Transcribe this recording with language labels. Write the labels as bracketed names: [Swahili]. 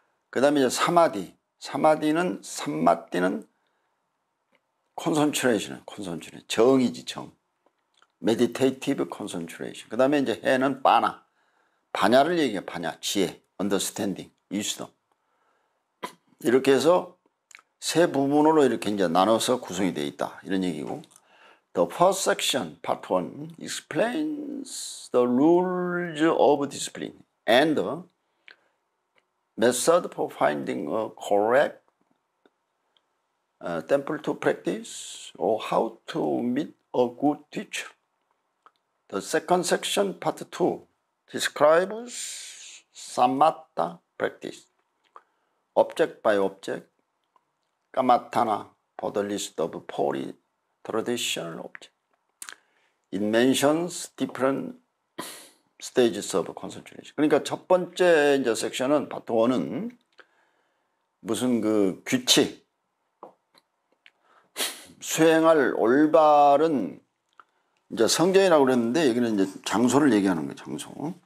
[Korean] 그 다음에 이제 사마디. 사마디는, 삼마띠는 콘센트레이션, 콘센트레이션. 정이지, 정. 메디테이티브 콘센트레이션. 그 다음에 이제 해는 바나. 반야를 얘기해요. 반야. 지혜. 언더스탠딩. 위스덤. 이렇게 해서 세 부분으로 이렇게 이제 나눠서 구성이 되어 있다. 이런 얘기고. [English] The first section, part one, explains the rules of discipline and the method for finding a correct temple to practice or how to meet a good teacher. The second section, part two, describes samatha practice, object by object, kamatana, for the list of poly traditional objects. It mentions different stages of concentration. [Korean] 그러니까 첫 번째 이제 섹션은, 파트 1은 무슨 그 규칙, 수행할 올바른 이제 성전이라고 그랬는데, 여기는 이제 장소를 얘기하는 거예요, 장소.